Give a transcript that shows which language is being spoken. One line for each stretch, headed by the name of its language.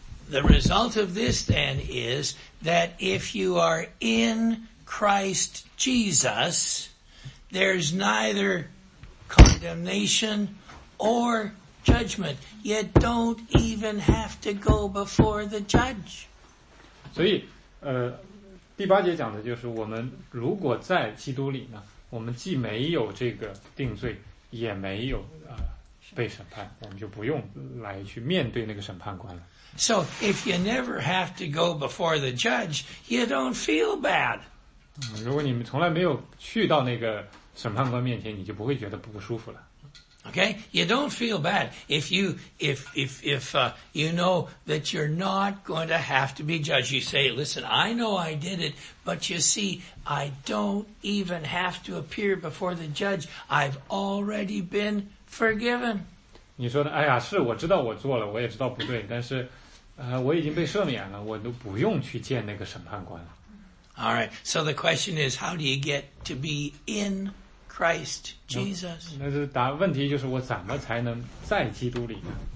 English: The result of this then is that if you are in Christ Jesus, there's neither condemnation or judgment. You don't even have to go before the judge.
Chinese: 所以, 第八节讲的就是我们如果在基督里呢，我们既没有这个定罪，也没有被审判，我们就不用来去面对那个审判官了。
English: So if you never have to go before the judge, you don't feel bad.
Chinese: 如果你们从来没有去到那个审判官面前，你就不会觉得不舒服了。
English: Okay, you don't feel bad if you know that you're not going to have to be judged. You say, listen, I know I did it, but you see, I don't even have to appear before the judge. I've already been forgiven.
Chinese: 你说的，哎呀，是我知道我做了，我也知道不对，但是，我已经被赦免了，我都不用去见那个审判官了。
English: All right. So the question is, how do you get to be in Christ Jesus?
Chinese: 那是答问题就是我怎么才能在基督里呢